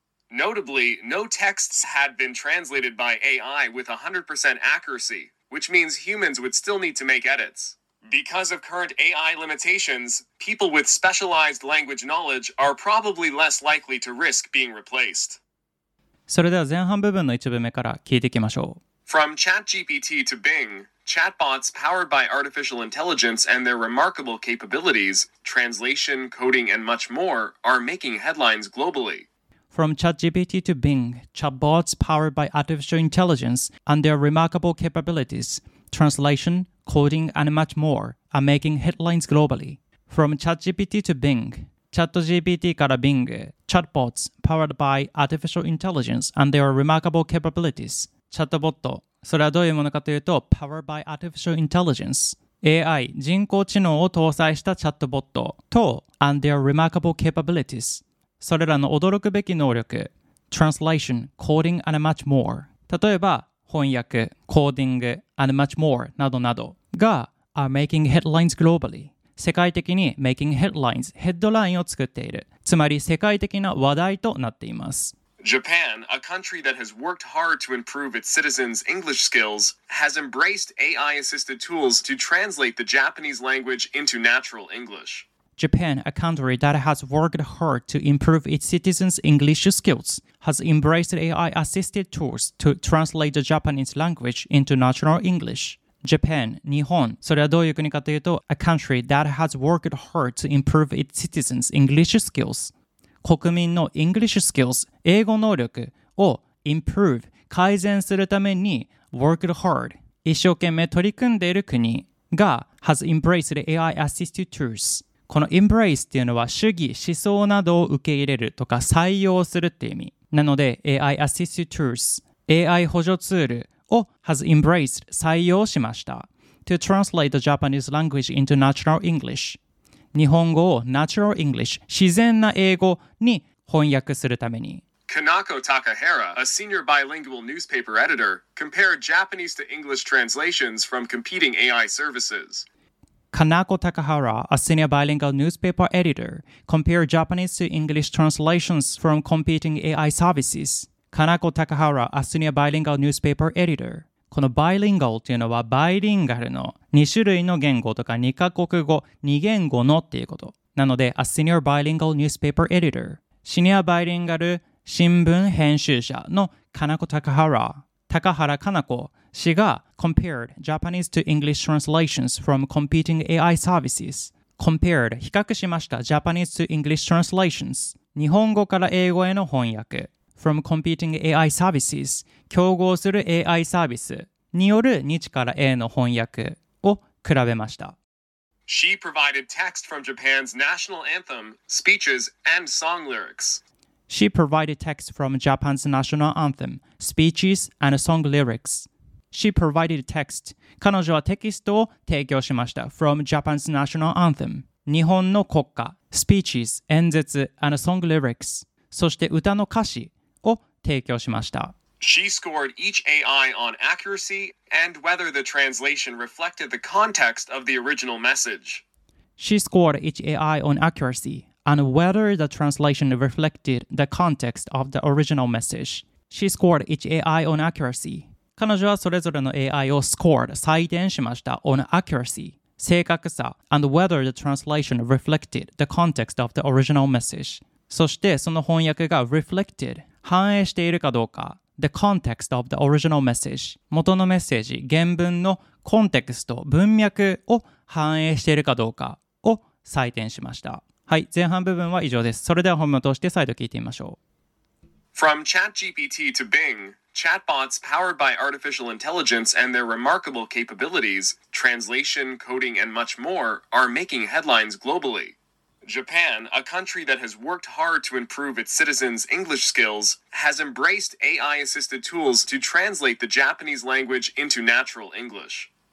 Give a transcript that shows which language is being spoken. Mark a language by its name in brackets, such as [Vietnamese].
[English] Notably, no texts had been translated by AI with 100% accuracy, which means humans would still need to make edits. Because of current AI limitations, people with specialized language knowledge are probably less likely to risk being replaced. [Japanese] それでは前半部分の一部目から聞いていきましょう。 [English] From ChatGPT to Bing, chatbots powered by artificial intelligence and their remarkable capabilities, translation, coding, and much more, are making headlines globally. From ChatGPT to Bing, chatbots powered by artificial intelligence and their remarkable capabilities, translation,Coding and much more are making headlines globally. From ChatGPT to Bing, ChatGPT から Bing, chatbots powered by artificial intelligence and their remarkable capabilities. Chatbot, [Japanese] それはどういうものかというと、 [English] powered by artificial intelligence, AI, [Japanese] 人工知能を搭載したチャットボットと、 [English] and their remarkable capabilities, [Japanese] それらの驚くべき能力、 [English] translation, coding and much more. [Japanese] 例えば、翻訳、コーディング、 [English] and much more [Japanese] などなどが [English] are making headlines globally. [Japanese] 世界的に [English] making headlines、 [Japanese] ヘッドラインを作っている。つまり世界的な話題となっています。 [English] Japan, a country that has worked hard to improve its citizens' English skills, has embraced AI-assisted tools to translate the Japanese language into natural English. Japan, a country that has worked hard to improve its citizens' English skills,has embraced AI-assisted tools to translate the Japanese language into natural English. Japan, [Japanese] 日本、それはどういう国かというと、 [English] a country that has worked hard to improve its citizens' English skills. [Japanese] 国民の [English] English skills, [Japanese] 英語能力を improve, 改善するために [English] worked hard, [Japanese] 一生懸命取り組んでいる国が [English] has embraced AI-assisted tools. [Japanese] この embrace っていうのは主義、思想などを受け入れるとか採用するっていう意味。なので [English] AI assisted tools、 [Japanese] AI 補助ツールを [English] has embraced [Japanese] 採用しました。 [English] To translate the Japanese language into natural English。 [Japanese] 日本語を [English] natural English、 [Japanese] 自然な英語に翻訳するために。 [English] Kanako Takahara, a senior bilingual newspaper editor, compared Japanese to English translations from competing AI services. Kanako Takahara, a senior bilingual newspaper editor, compared Japanese to English translations from competing AI services. Kanako Takahara, a senior bilingual newspaper editor. [Japanese] この bilingual というのは bilingual の2種類の言語とか2カ国語、2言語のっていうこと。 [English] なので、a senior bilingual newspaper editor. [Japanese] シニアバイリンガル新聞編集者の [English] Kanako Takahara、Takahara Kanako、She compared Japanese to English translations from competing AI services. Compared, [Japanese] 比較しました [English] Japanese to English translations. [Japanese] 日本語から英語への翻訳 [English] from competing AI services. [Japanese] 競合する AI サービスによる日から A の翻訳を比べました。 [English] She provided text from Japan's national anthem, speeches, and song lyrics. She provided text from Japan's national anthem, speeches, and song lyrics. She provided text. [Japanese] 彼女はテキストを提供しました。 [English] From Japan's national anthem. [Japanese] 日本の国歌。 [English] Speeches, 演説 and song lyrics. [Japanese] そして歌の歌詞を提供しました。 [English] She scored each AI on accuracy and whether the translation reflected the context of the original message. She scored each AI on accuracy and whether the translation reflected the context of the original message. She scored each AI on accuracy. [Japanese] 彼女はそれぞれの AI を [English] scored, [Japanese] 採点しました [English] on accuracy, 正確さ and whether the translation reflected the context of the original message. [Japanese] そしてその翻訳が [English] reflected, [Japanese] 反映しているかどうか。 [English] The context of the original message. [Japanese] 元のメッセージ、原文のコンテクスト、文脈を反映しているかどうかを採点しました。はい、前半部分は以上です。それでは本文を通して再度聞いてみましょう。 [English] From ChatGPT to Bing, chatbots powered by artificial intelligence and their remarkable capabilities, translation, coding, and much more, are making headlines globally. Japan, a country that has worked hard to improve its citizens' English skills, has embraced AI-assisted tools to translate the Japanese language into natural English.